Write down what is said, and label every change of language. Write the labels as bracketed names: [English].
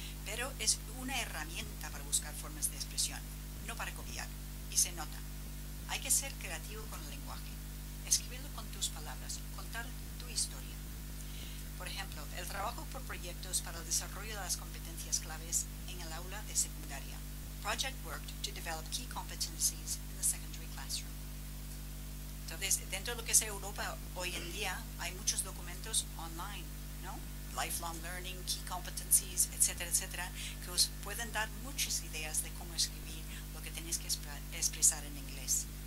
[Spanish] Pero es una herramienta para buscar formas de expresión, no para copiar. Y se nota. Hay que ser creativo con el lenguaje. Escribirlo con tus palabras, contar tu historia. Por ejemplo, el trabajo por proyectos para el desarrollo de las competencias claves en el aula de secundaria. [English] Project worked to develop key competencies in the secondary classroom. [Spanish] Entonces, dentro de lo que es Europa hoy en día, hay muchos documentos online, ¿no? [English] Lifelong learning, key competencies, [Spanish] etcétera, etcétera, que os pueden dar muchas ideas de cómo escribir lo que tenéis que expresar en inglés.